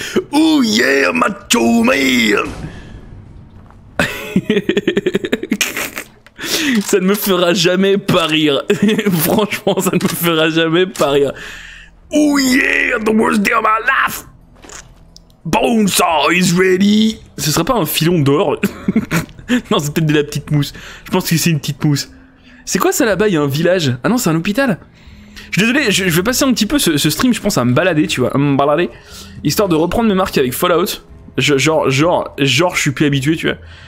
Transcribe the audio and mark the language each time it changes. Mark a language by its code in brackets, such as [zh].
[en] Oh yeah, macho man! [fr] Ça ne me fera jamais pas rire. Franchement, ça ne me fera jamais pas rire. [en] Oh yeah, the worst day of my life. Bonesaw is ready. [fr] Ce serait pas un filon d'or? Non, c'est peut-être de la petite mousse. Je pense que c'est une petite mousse. C'est quoi ça là-bas? Il y a un village. Ah non, c'est un hôpital. Je suis désolé, je vais passer un petit peu ce stream, je pense, à me balader, tu vois, à me balader. Histoire de reprendre mes marques avec Fallout. Genre, je suis plus habitué, tu vois.